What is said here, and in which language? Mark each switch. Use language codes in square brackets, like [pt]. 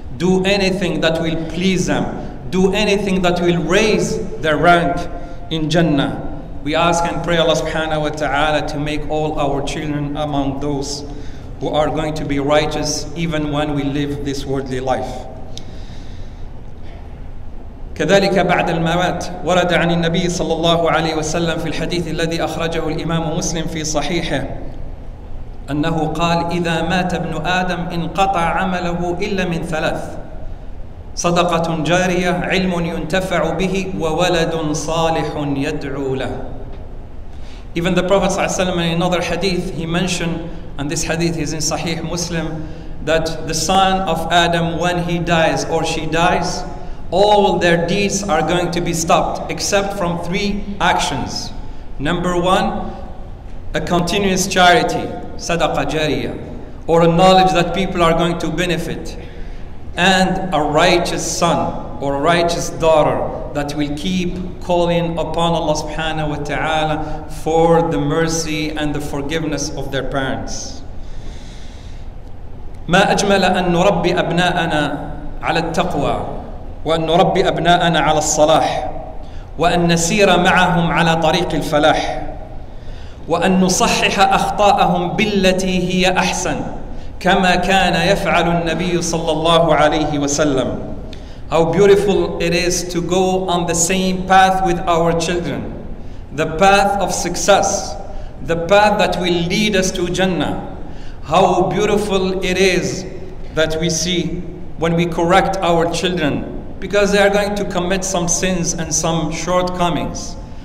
[en] Do anything that will please them. Do anything that will raise their rank in Jannah. We ask and pray Allah subhanahu wa ta'ala to make all our children among those who are going to be righteous even when we live this worldly life. [ar] كذلك بعد الممات ورد عن النبي صلى الله عليه وسلم في الحديث الذي أخرجه الإمام مسلم في صحيحه أنه قال إذا مات ابن آدم انقطع عمله إلا من ثلاث صدقة جارية علم ينتفع به وولد صالح يدعو له. [en] Even the Prophet [ar] صلى الله عليه وسلم [en] in another hadith he mentioned, and this hadith is in Sahih Muslim, that the son of Adam when he dies or she dies, all their deeds are going to be stopped except from three actions. Number one, a continuous charity, sadaqa jariya, or a knowledge that people are going to benefit, and a righteous son or a righteous daughter that will keep calling upon Allah subhanahu wa ta'ala for the mercy and the forgiveness of their parents. [ar] ما أجمل أن نربي أبناءنا على التقوى وأن نربي أبناءنا على الصلاح وأن نسير معهم على طريق الفلاح وأن نصحح أخطاءهم بالتي هي أحسن كما كان يفعل النبي صلى الله عليه وسلم. [en] How beautiful it is to go on the same path with our children, the path of success, the path that will lead us to Jannah. How beautiful it is that we see when we correct our children, because they are going to commit some sins and some shortcomings.